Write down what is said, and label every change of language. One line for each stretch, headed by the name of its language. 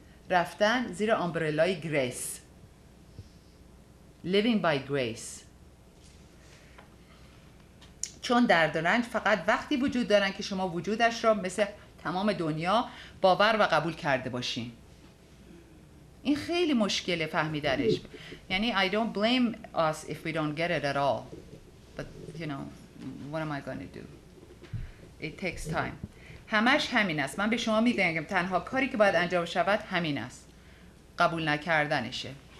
Persian: رفتن زیر آمبرلای گریس.
English: Living by grace.
Persian: چون درد و رنج فقط وقتی وجود دارن که شما وجودش را مثل تمام دنیا باور و قبول کرده باشین. این خیلی مشکله فهمیدنش. یعنی
English: I don't blame us if we don't get it at all. But you know, what am I going to do? It takes time.
Persian: همش همین است. من به شما میگم تنها کاری که باید انجام شود همین است. قبول نکردنشه.